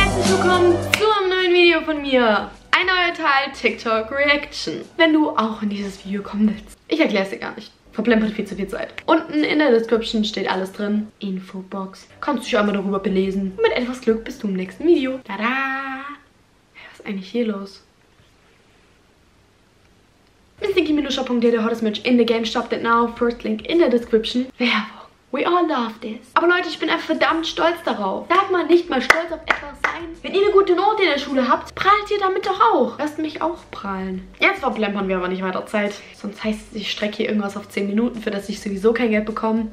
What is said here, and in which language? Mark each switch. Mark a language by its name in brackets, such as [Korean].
[German] Willkommen zu einem neuen Video von mir. Ein neuer Teil TikTok Reaction. Wenn du auch in dieses Video kommen willst. Ich erkläre es dir gar nicht. Verplempert viel zu viel Zeit. Unten in der Description steht alles drin. Infobox. Kannst du dich einmal darüber belesen. Und mit etwas Glück bis zum nächsten Video. Tada! Was ist eigentlich hier los? [English] Miss Nikki Minoshop.de, the hottest merch in the game. Shop that now. First link [German] in der [English] Description. [German] Werbung. [English] We all love this. [German] Aber Leute, ich bin einfach verdammt stolz darauf. Darf man nicht mal stolz auf etwas sein? Wenn ihr eine gute Note in der Schule habt, prallt ihr damit doch auch. Lasst mich auch prallen. Jetzt verplempern wir aber nicht weiter Zeit. Sonst heißt es, ich strecke hier irgendwas auf 10 Minuten, für das ich sowieso kein Geld bekomme.